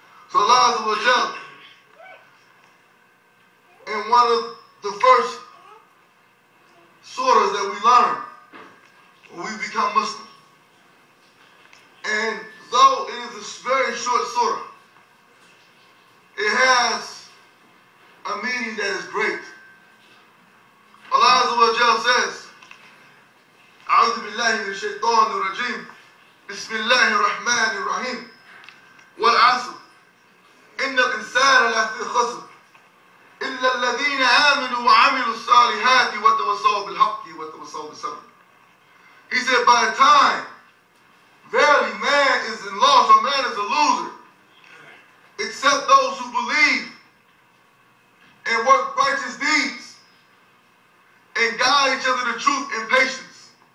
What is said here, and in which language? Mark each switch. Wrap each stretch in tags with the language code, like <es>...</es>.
<en>So Allah Azza wa Jal, in one of the first surahs that we learn when we become Muslim, and though it is a very short surah, it has a meaning that is great.</en> <ar>Allah Azza wa Jal says, أعوذ بالله من الشيطان الرجيم بسم الله الرحمن الرحيم والعصر إن الإنسان لفي خسر إلا الذين آمنوا وعملوا الصالحات وتواصوا بالحق وتواصوا بالصبر.</ar> <en>He said, by the time, verily man is in loss or man is a loser except those who believe and work righteous deeds and guide each other to truth and patience.</en>